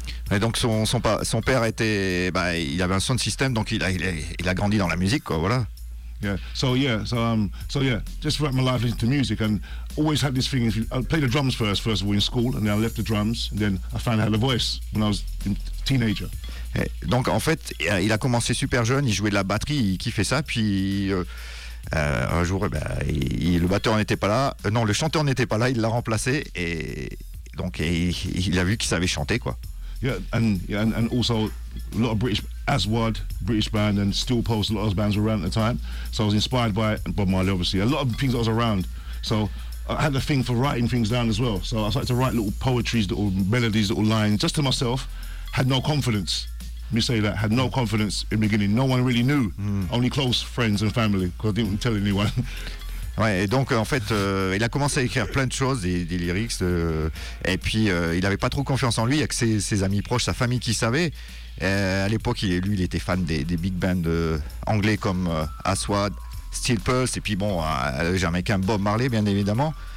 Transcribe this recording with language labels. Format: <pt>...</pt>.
<fr>Et donc son père était, bah, il avait un sound system, donc il a grandi dans la musique, quoi, voilà.</fr> <en>Yeah. So just throughout my life listening to music, and always had this thing. I played the drums first of all in school, and then I left the drums. And then I found I had a voice when I was a teenager.</en> <fr>Et donc en fait, il a commencé super jeune. Il jouait de la batterie, il kiffait ça, puis. Un jour, le batteur n'était pas là. Non, le chanteur n'était pas là. Il l'a remplacé et donc il a vu qu'il savait chanter, quoi.</fr> <en>Yeah, and also a lot of British Aswad, British band, and Steel Pulse. A lot of those bands were around at the time, so I was inspired by Bob Marley, obviously. A lot of things I was around, so I had a thing for writing things down as well. So I started to write little poetries, little melodies, little lines just to myself. Had no confidence. Let me say that, had no confidence in the beginning. No one really knew, only close friends and family, because I didn't tell anyone.</en> <fr>Ouais, et donc en fait, il a commencé à écrire plein de choses, des lyrics, et puis il n'avait pas trop confiance en lui, il n'y a que ses amis proches, sa famille qui savait. À l'époque, lui, il était fan des big bands anglais comme Aswad, Steel Pulse, et puis bon, le Jamaïcain Bob Marley, bien évidemment.</fr>